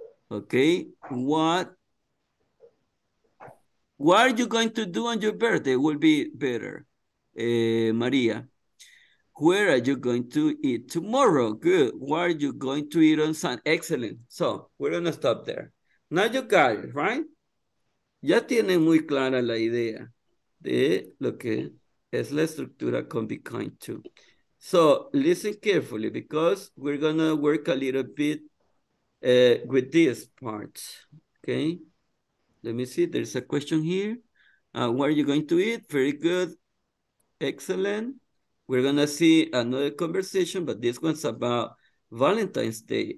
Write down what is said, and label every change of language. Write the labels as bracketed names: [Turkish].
[English] Okay, what are you going to do on your birthday? Will be better. Maria, where are you going to eat tomorrow? Good. What are you going to eat on Sunday? Excellent. So we're going to stop there. Now you got it, right? [Spanish] Ya tienen muy clara la idea de lo que es la estructura con be kind to. [English] So listen carefully because we're going to work a little bit with this part, okay? Let me see, there's a question here. What are you going to eat? Very good, excellent. We're gonna see another conversation, but this one's about Valentine's Day.